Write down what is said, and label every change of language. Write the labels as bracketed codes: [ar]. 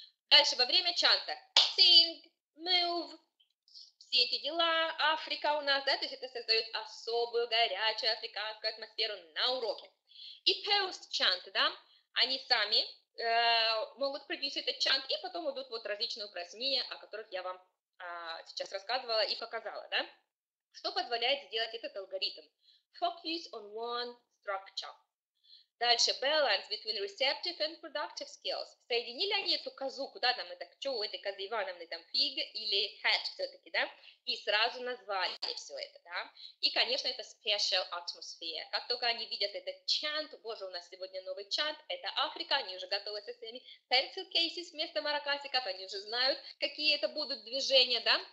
[ru] Дальше, во время чанта, [en] sing, move, [ru] все эти дела, Африка у нас, да, то есть это создает особую горячую африканскую атмосферу на уроке. И post-chant, да, они сами могут продюсить этот чант, и потом идут вот различные упражнения, о которых я вам сейчас рассказывала и показала, да. Что позволяет сделать этот алгоритм? [en] Focus on one structure. Дальше, balance between receptive and productive skills. [ru] Соединили они эту козу, куда там это, что у этой козы Ивановны, там fig или hat все-таки, да? И сразу назвали все это, да? И, конечно, это [en] special atmosphere. [ru] Как только они видят этот chant, боже, у нас сегодня новый chant, это Африка, они уже готовы со своими pencil cases вместо маракасиков, они уже знают, какие это будут движения, да?